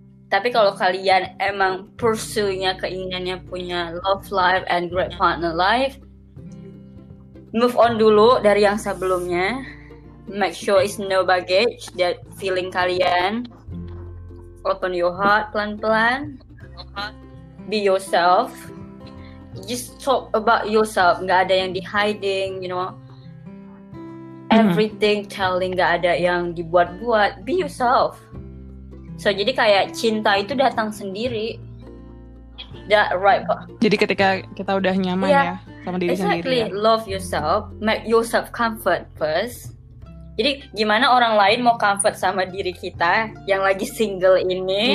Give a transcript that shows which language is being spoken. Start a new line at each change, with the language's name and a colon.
Indonesian: Tapi kalau kalian emang pursue-nya keinginannya punya
English: love life and great partner life, move on
Indonesian: dulu dari yang sebelumnya.
English: Make sure it's no baggage that feeling kalian. open your heart
Indonesian: pelan-pelan.
English: Be yourself. Just talk about yourself.
Indonesian: Gak ada yang di hiding,
English: you know. Everything telling,
Indonesian: gak ada yang dibuat-buat.
English: Be yourself. So,
Indonesian: jadi kayak cinta itu datang sendiri.
English: That right,
Indonesian: kok. Jadi ketika kita udah nyaman ya sama diri
English: exactly.
Indonesian: sendiri.
English: Exactly, love yourself. Make yourself comfort first.
Indonesian: Jadi gimana orang lain mau comfort sama diri kita yang lagi single ini?